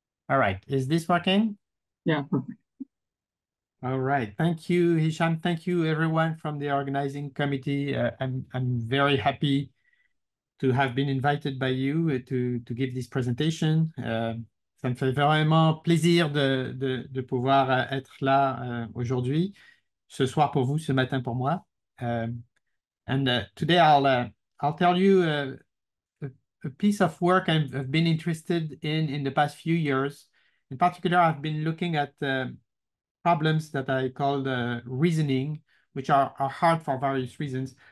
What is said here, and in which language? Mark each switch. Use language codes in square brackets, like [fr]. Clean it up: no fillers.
[en] All right, is this working? Yeah, perfect. All right, thank you, Hisham. Thank you, everyone from the organizing committee. I'm very happy to have been invited by you to give this presentation. [fr] Ça me fait vraiment plaisir de pouvoir être là aujourd'hui, ce soir pour vous, ce matin pour moi. [en] Today I'll tell you a piece of work I've been interested in the past few years. In particular, I've been looking at problems that I call the reasoning, which are hard for various reasons.